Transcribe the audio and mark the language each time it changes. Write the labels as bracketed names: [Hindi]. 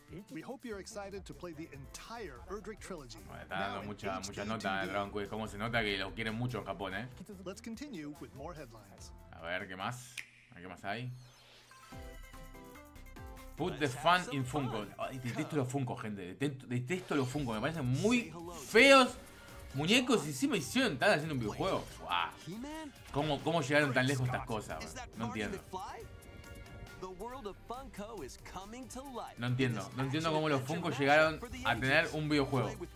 [English] We hope you're excited to play the entire Erdrick trilogy. [Spanish] Está dando mucha nota en Dragon Quest. Cómo se nota que lo quieren mucho en Japón, ¿eh? [English] Let's continue with more headlines. [Spanish] A ver, ¿qué más? ¿Qué más hay? [English] Put the fun in Funko. [Spanish] Ay, detesto los Funko, gente. Detesto los Funko. Me parecen muy feos muñecos. Y sí me hicieron tan haciendo un videojuego. ¡Wow! ¿Cómo llegaron tan lejos estas cosas? No entiendo. [English] The world of Funko is coming to life. [Spanish] No entiendo cómo los Funko llegaron a tener un videojuego.